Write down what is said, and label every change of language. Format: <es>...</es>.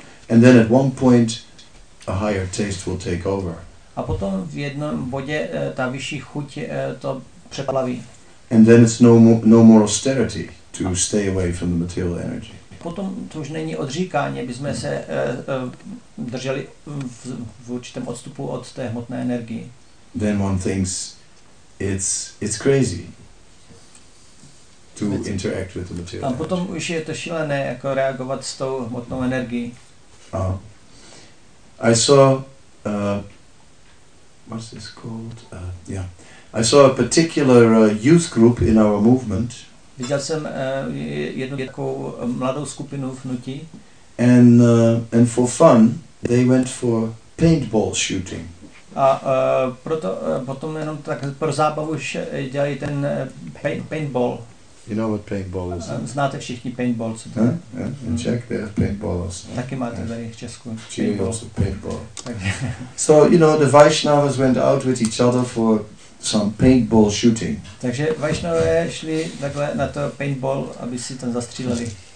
<en>And then at one point a higher taste will take over.</en> <cs>A potom v jednom bodě ta vyšší chuť to přeplaví.</cs> <en>And then it's no more austerity to stay away from the material energy.</en> <cs>Potom to už není odříkání, aby jsme se drželi v určitém odstupu od té hmotné energie.</cs> <en>Then one thinks it's crazy to interact with the material.</en> <cs>A potom už je to šílené jako reagovat s tou hmotnou energií.</cs> <en>I saw what's this called? I saw a particular youth group in our movement.</en> <cs>Viděl jsem jednu takovou mladou skupinu v hnutí.</cs> <en>And for fun, they went for paintball shooting.</en> <cs>A proto potom jenom tak pro zábavu dělají ten paintball.</cs> <en>You know what paintball is?</en> <cs>Znáte všichni paintball, co to je?</cs> <en>In Czech they have paintballers.</en> <cs>Taky máte tady v Česku.</cs> <en>Paintball. So you know the Vaishnavas went out with each other for some paintball shooting.</en> <cs>Takže Vaishnavé šli takhle na to paintball, aby si tam zastříleli.</cs>